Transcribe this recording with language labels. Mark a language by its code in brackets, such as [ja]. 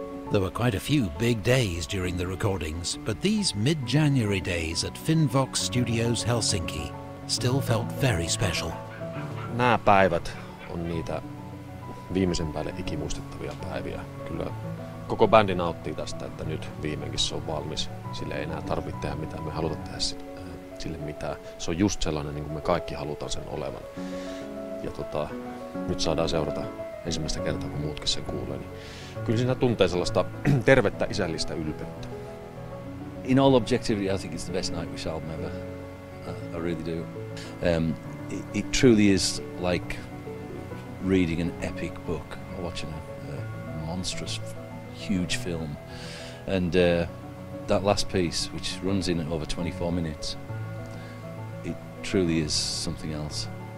[en] There were quite a few big days during the recordings, but these mid-January days at Finvox Studios Helsinki still felt very special. [fi] Nämä päivät on niitä viimeisen päälle ikimuistettavia päiviä. Kyllä koko bändi nauttii tästä, että nyt viimeinkin se on valmis. Sille ei enää tarvitse tehdä mitään, me halutaan tehdä sille mitään. Se on just sellainen, niin kuin me kaikki halutaan sen olevan. Ja nyt saadaan seurata ensimmäistä kertaa, kun muutkin sen kuulee. Niin kyllä siinä tuntee sellaista tervettä isällistä ylpeyttä. [en] In all objectivity, I think it's the best Nightwish album ever. I really do. It truly is like reading an epic book, or watching a monstrous, huge film. And that last piece, which runs in at over 24 minutes, it truly is something else.